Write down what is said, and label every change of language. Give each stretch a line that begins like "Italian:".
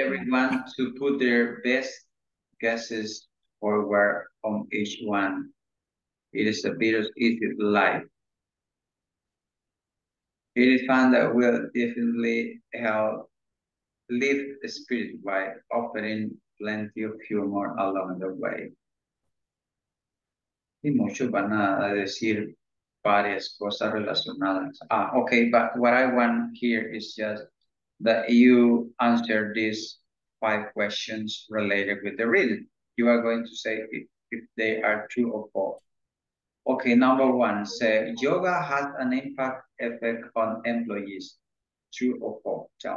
English: Everyone to put their best guesses forward on each one. It is a bit of easy life. It is fun that will definitely help lift the spirit by offering plenty of humor along the way.
Spanish: Y muchos van a decir varias cosas relacionadas.
English: Ah, okay, but what I want here is just that you answer these five questions related with the reading. You are going to say if they are true or false. Okay, number one, say yoga has an impact effect on employees. True or false?